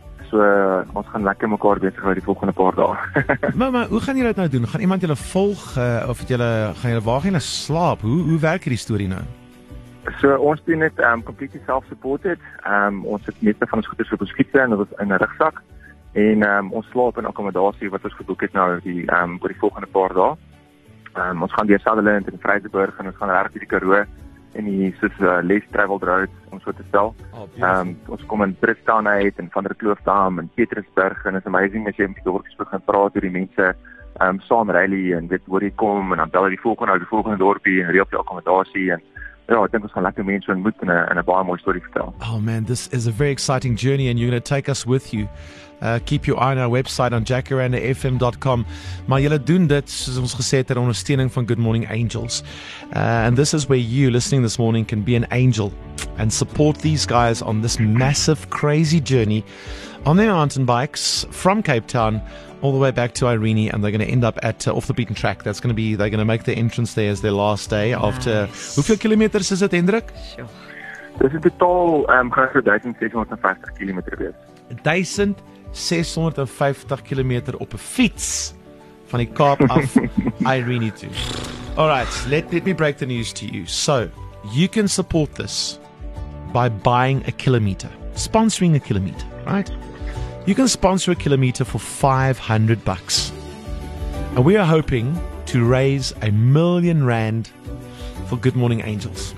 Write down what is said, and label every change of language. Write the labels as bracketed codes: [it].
[af] So ons gaan lekker mekaar bezig hou die volgende paar dae. Maar hoe gaan julle dit nou doen? Gaan iemand julle volg of het julle gaan julle waar gaan julle slaap? Hoe werk hierdie storie nou? So ons doen dit [en] completely self-supported. [af] Ons het meeste van ons goeder op ons fietse en dit is in 'n rugsak. En ons slaap in akkommodasie wat ons geboek het nou die oor die volgende paar dae. Ons gaan deur Sutherland en Vryburg en ons gaan reg die Karoo en die soos Les Travel Route om so te stel. Ons kom in Bristol uit en van der Kloof daar in Pietersburg en is amazing as jy met die dorpies begin praat oor die mense saam rally en dit hoor jy kom en dan bel jy die volgende dorpie en reël op die akkommodasie en ja, ek dink ons gaan lekker mense ontmoet en 'n baie mooi storie vertel. [en] Oh man, this is a very exciting journey and you're going to take us with you. Keep your eye on our website on jacarandafm.com. [af] Maar julle doen dit, soos ons gesê het, ter ondersteuning van Good Morning Angels. [en] And this is where you, listening this morning, can be an angel and support these guys on this massive, crazy journey on their mountain bikes from Cape Town all the way back to Irene, and they're going to end up at Off the Beaten Track. That's going to be, they're going to make their entrance there as their last day after... [af] Nice. Hoeveel kilometers is it, Hendrik? [en] Sure. This is the total, going for 1,650 kilometers. [af] 1,650 kilometer op 'n fiets van die Kaap af Irene toe. [en] Alright, let me break the news to you. So, you can support this by buying a kilometer, sponsoring a kilometer, right? You can sponsor a kilometer for $500. And we are hoping to raise R1 million for Good Morning Angels.